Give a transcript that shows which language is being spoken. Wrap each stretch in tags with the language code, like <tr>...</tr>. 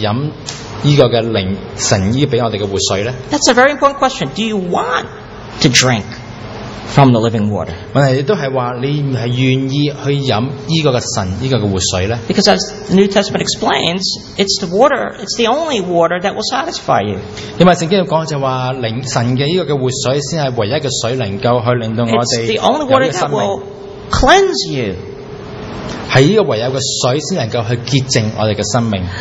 <zh>所以我的问题就是说，今天的早上你是不是喝这个灵神给我们的活水呢？</zh> <en>That's a very important question. Do you want to drink from the living water?</en> <zh>问题也是说，你是愿意去喝这个神这个活水呢？</zh> <en>Because as the New Testament explains, it's the water, it's the only water that will satisfy you.</en> <zh>因为圣经说，就是说，灵神的这个活水才是唯一的水，能够去令到我们。</zh> <en>It's the only water that will cleanse you.</en> <zh>是这个唯有的水才能够去洁净我们的生命。</zh>